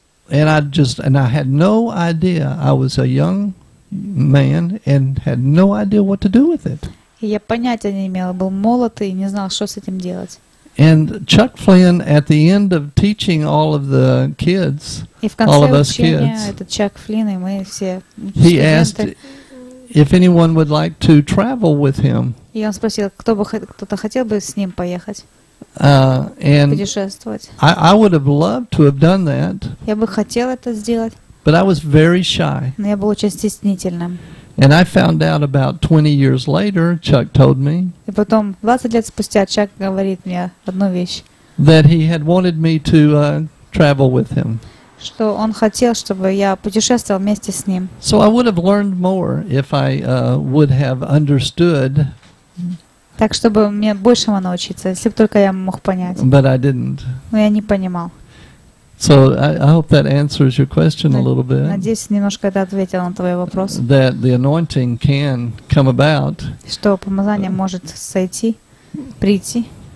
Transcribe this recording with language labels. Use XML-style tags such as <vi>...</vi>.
<en>And I just and I had no idea. I was a young man and had no idea what to do with it.</en> <ru>Я понятия не имел, был молод и не знал, что с этим делать.</ru> <en>And Chuck Flynn at the end of teaching all of the kids, all of us kids, he asked if anyone would like to travel with him.</en> <ru>И он спросил, кто-то хотел бы с ним поехать, путешествовать.</ru> <en>I would have loved to have done that.</en> <ru>Я бы хотел это сделать.</ru> <en>But I was very shy.</en> <ru>Но я был очень стеснительным.</ru> <en>And I found out about 20 years later, Chuck told me.</en> <ru>И потом 20 лет спустя Чак говорит мне одну вещь.</ru> <en>That he had wanted me to travel with him.</en> <ru>Что он хотел, чтобы я путешествовал вместе с ним.</ru> <en>So I would have learned more if I would have understood.</en> <ru>Так чтобы мне большему научиться, если бы только я мог понять.</ru> <en>But I didn't.</en> <ru>Но я не понимал.</ru> <en>So I hope that answers your question a little bit.</en> <ru>Надеюсь, немножко это ответило на твой вопрос.</ru> <en>That the anointing can come about.</en> <ru>Что помазание может сойти, прийти.</ru>